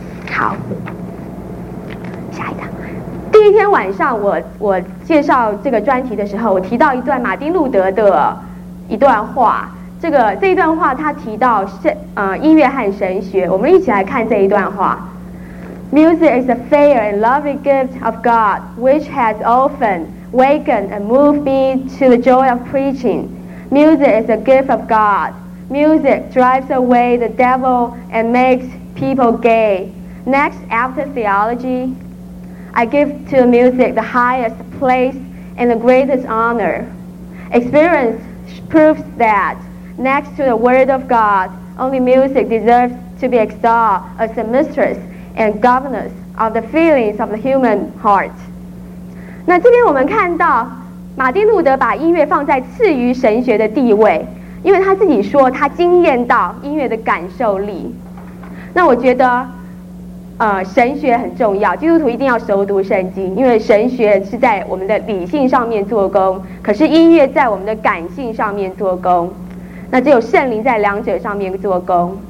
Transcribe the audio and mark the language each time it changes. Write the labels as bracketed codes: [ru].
[zh] 好，下一张。第一天晚上我介绍这个专题的时候，我提到一段马丁路德的一段话，这一段话他提到音乐和神学，我们一起来看这一段话。 [en] Music is a fair and loving gift of God, which has often wakened and moved me to the joy of preaching. Music is a gift of God. Music drives away the devil and makes people gay. Next, after theology, I give to music the highest place and the greatest honor. Experience proves that, next to the word of God, only music deserves to be exalted as the mistress and governess of the feelings of the human heart. [zh] 那这边我们看到马丁路德把音乐放在次于神学的地位，因为他自己说他惊艳到音乐的感受力。那我觉得神学很重要，基督徒一定要熟读圣经，因为神学是在我们的理性上面做工，可是音乐在我们的感性上面做工，那只有圣灵在两者上面做工。